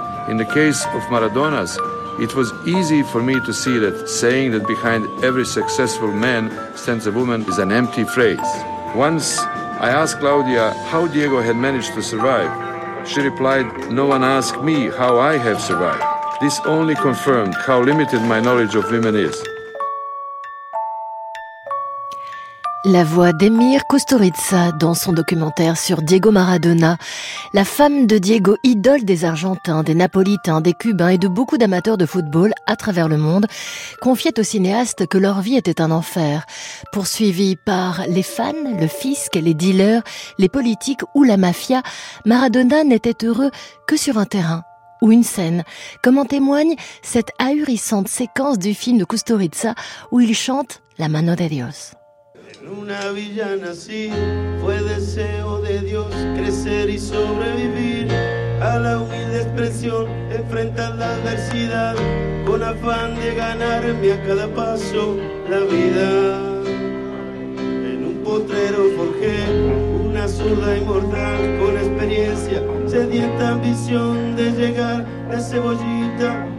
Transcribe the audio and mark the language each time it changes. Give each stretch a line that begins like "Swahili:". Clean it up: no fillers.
English: In the case of Maradona's, it was easy for me to see that saying that behind every successful man stands a woman is an empty phrase. Once I asked Claudia how Diego had managed to survive. She replied, "No one asked me how I have survived." This only confirmed how limited my knowledge of women is.
French: La voix d'Emir Kusturica dans son documentaire sur Diego Maradona. La femme de Diego, idole des Argentins, des Napolitains, des Cubains et de beaucoup d'amateurs de football à travers le monde, confiait au cinéaste que leur vie était un enfer. Poursuivie par les fans, le fisc, les dealers, les politiques ou la mafia, Maradona n'était heureux que sur un terrain ou une scène, comme en témoigne cette ahurissante séquence du film de Kusturica où il chante « La mano de Dios ».
Spanish: En una villa nací, fue deseo de Dios crecer y sobrevivir. a la humilde expresión, enfrentar la adversidad, con afán de ganarme a cada paso la vida. En un potrero forjé una zurda inmortal, con experiencia, sedienta ambición de llegar de cebollita.